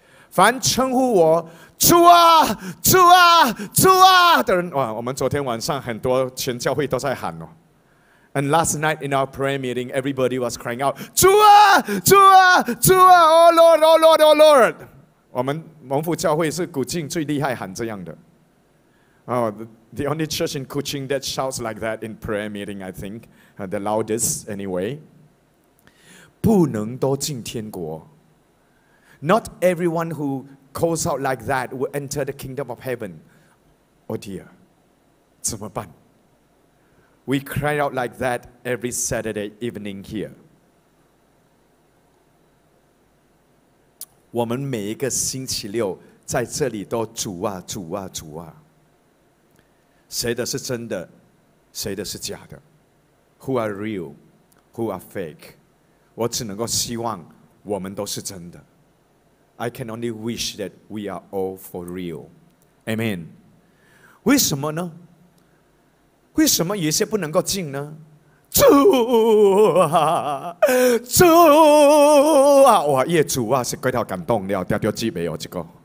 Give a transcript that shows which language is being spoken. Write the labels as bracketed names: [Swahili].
[Chinese] 凡称呼我主啊主啊主啊的人，哇，我们昨天晚上很多全教会都在喊哦。 [English] And last night in our prayer meeting, everybody was crying out, [Chinese] 主啊主啊主啊 [English] Oh Lord, Oh Lord, Oh Lord. [Chinese] 我们蒙福教会是古晋最厉害喊这样的。 [English] Oh, the only church in Kuching that shouts like that in prayer meeting, I think. The loudest, anyway. [Chinese] 不能都进天国。 [English] Not everyone who calls out like that will enter the kingdom of heaven. Oh dear, [Chinese] 怎么办？ [English] We cry out like that every Saturday evening here. [Chinese] 我们每一个星期六在这里都主啊主啊主啊。谁的是真的，谁的是假的？ [English] Who are real? Who are fake? [Chinese] 我只能够希望我们都是真的。 [English] I can only wish that we are all for real. [Chinese] Amen. 为什么呢？为什么有些不能够进呢？主啊，主啊，哇，业主啊，是感到感动了，掉掉鸡没有这个。